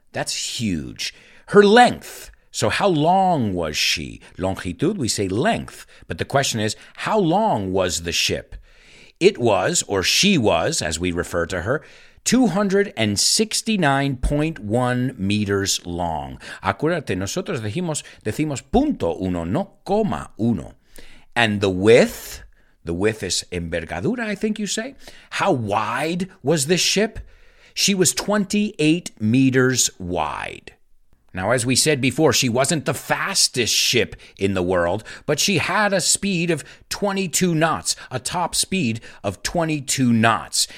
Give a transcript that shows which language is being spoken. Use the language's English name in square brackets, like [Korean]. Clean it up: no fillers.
[English] That's huge. Her length. So how long was she? Longitud, we say length. But the question is, how long was the ship? It was, or she was, as we refer to her, 269.1 meters long. [Spanish] Acuérdate, nosotros decimos punto uno, no coma uno. [English] And the width? The width is envergadura, I think you say. How wide was this ship? She was 28 meters wide. Now, as we said before, she wasn't the fastest ship in the world, but she had a speed of 22 knots, a top speed of 22 knots.